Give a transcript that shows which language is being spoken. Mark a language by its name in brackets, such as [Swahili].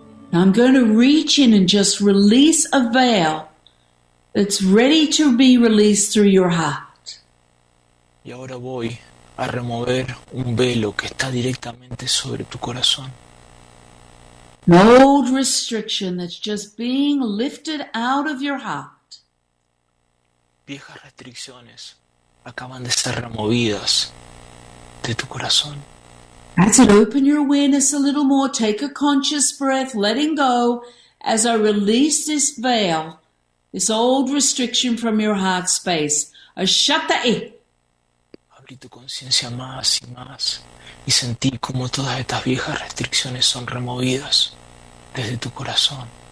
[English] Now I'm going to reach in and just release a veil that's ready to be released through your heart. [Spanish] Y ahora voy a remover un velo que está directamente sobre tu corazón. [English] An old restriction that's just being lifted out of your heart. [Spanish] Viejas restricciones acaban de ser removidas de tu corazón. [English] As I open your awareness a little more, take a conscious breath, letting go as I release this veil, this old restriction from your heart space. Ashatai. [Spanish] Abrí tu conciencia más y más y sentí como todas estas viejas restricciones son removidas desde tu corazón.